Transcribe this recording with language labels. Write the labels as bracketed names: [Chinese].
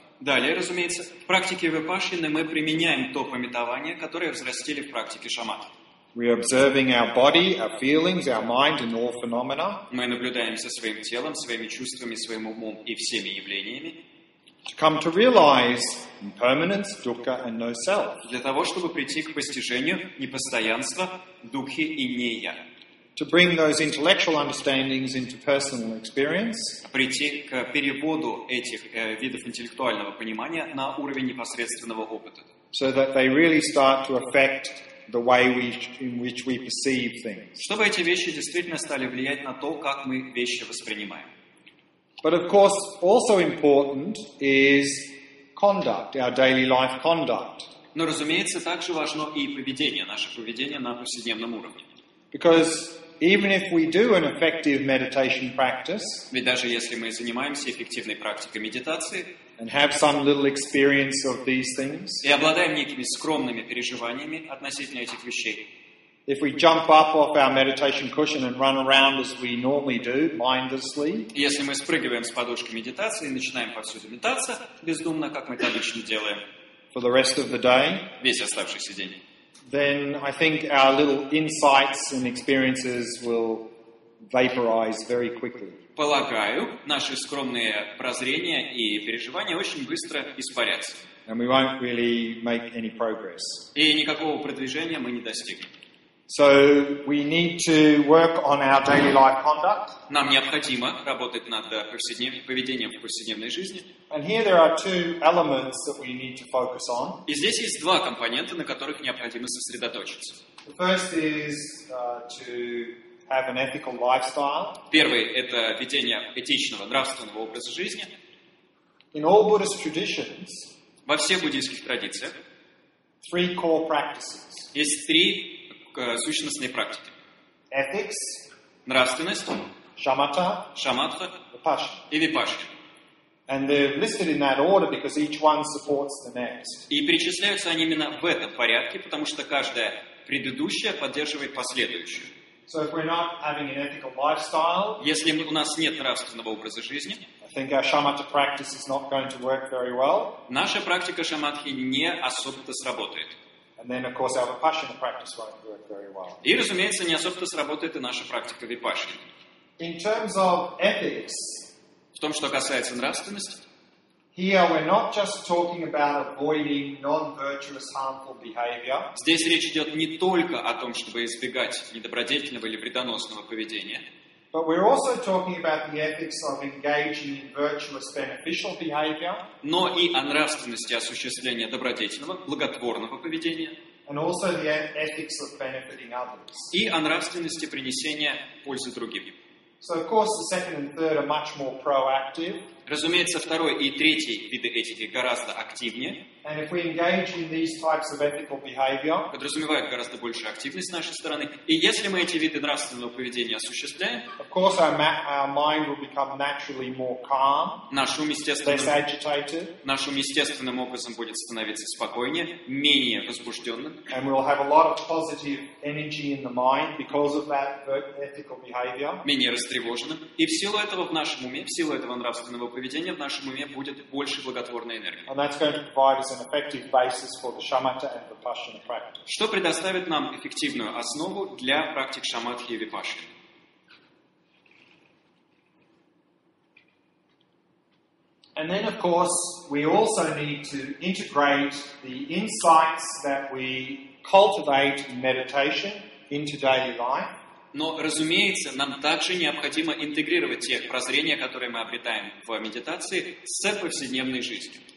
[Russian] Далее, разумеется, в практике випассаны мы применяем то памятование, которое взрастили в практике шамат. [English] We are observing our body, our feelings, our mind and all phenomena. [Russian] Мы наблюдаем за своим телом, своими чувствами, своим умом и всеми явлениями. [English] To come to realize impermanence, dukkha and no self. [Russian] Для того, чтобы прийти к постижению непостоянства, духи и не я. [English] To bring those intellectual understandings into personal experience. [Russian] Прийти к переводу этих видов интеллектуального понимания на уровень непосредственного опыта. [English] So that they really start to affect the way in which we perceive things. [Russian] Чтобы эти вещи действительно стали влиять на то, как мы вещи воспринимаем. [English] But of course, also important is conduct, our daily life conduct. [Russian] Но, разумеется, также важно и поведение, наше поведение на повседневном уровне. [English] Because even if we do an effective meditation practice, [Russian] ведь даже если мы занимаемся эффективной практикой медитации, [English] and have some little experience of these things, [Russian] и обладаем некими скромными переживаниями относительно этих вещей, [English] if we jump up off our meditation cushion and run around as we normally do, mindlessly, [Russian] если мы спрыгиваем с подушки медитации и начинаем повсюду метаться бездумно, как мы это обычно делаем, [English] for the rest of the day, [Russian] весь оставшийся день, [English] then I think our little insights and experiences will vaporize very quickly. [Russian] Полагаю, наши скромные прозрения и переживания очень быстро испарятся. [English] And we won't really make any progress. [Russian] И никакого продвижения мы не достигнем. [English] So we need to work on our daily life conduct. [Russian] Нам необходимо работать над поведением в повседневной жизни. [English] And here there are two elements that we need to focus on. [Russian] И здесь есть два компонента, на которых необходимо сосредоточиться. [English] The first is to have an ethical lifestyle. [Russian] Первый – это ведение этичного, нравственного образа жизни. [English] In all Buddhist traditions, [Russian] во всех буддийских традициях, [English] three core practices. [Russian] Есть три к сущностной практике. [English] Ethics, [Russian] нравственность, [English] shamatha, [Russian] шамадха, [English] vipassana, [Russian] и випассана. [English] And they're listed in that order because each one supports the next. [Russian] И перечисляются они именно в этом порядке, потому что каждая предыдущая поддерживает последующую. [English] So if we're not having an ethical lifestyle, [Russian] если у нас нет нравственного образа жизни, [English] I think our shamatha practice is not going to work very well. [Russian] Наша практика шамадхи не особо-то сработает. [English] And then, of course, our vipassana practice won't work very well. [Russian] И, разумеется, не особо-то сработает и наша практика випассаны. [English] In terms of ethics, [Russian] в том, что касается нравственности, [English] here we're not just talking about avoiding non-virtuous, harmful behavior. [Russian] Здесь речь идет не только о том, чтобы избегать недобродетельного или вредоносного поведения. [English] But we're also talking about the ethics of engaging in virtuous beneficial behavior. [Russian] Но и о нравственности осуществления добродетельного, благотворного поведения. [English] And also the ethics of benefiting others. [Russian] И о нравственности принесения пользы другим. [English] So of course the second and third are much more proactive. [Russian] Разумеется, второй и третий виды этики гораздо активнее. [English] And if we engage in these types of ethical behavior, [Russian] подразумевают гораздо большую активность с нашей стороны. И если мы эти виды нравственного поведения осуществляем, [English] of course our mind will become naturally more calm, less agitated. [Russian] Наш ум естественным образом будет становиться спокойнее, менее возбужденным. [English] And we'll have a lot of positive energy in the mind because of that ethical behavior. [Russian] Менее растревоженным. И в силу этого в нашем уме, в силу этого нравственного поведения в нашем уме будет больше благотворной энергии. [English] And that's going to provide is an effective basis for the shamatha and vipassana practice. [Russian] Что предоставит нам эффективную основу для практик шаматхи и випассаны? [English] And then of course we also need to integrate the insights that we cultivate in meditation into daily life. [Russian] Но, разумеется, нам также необходимо интегрировать те прозрения, которые мы обретаем в медитации, с повседневной жизнью.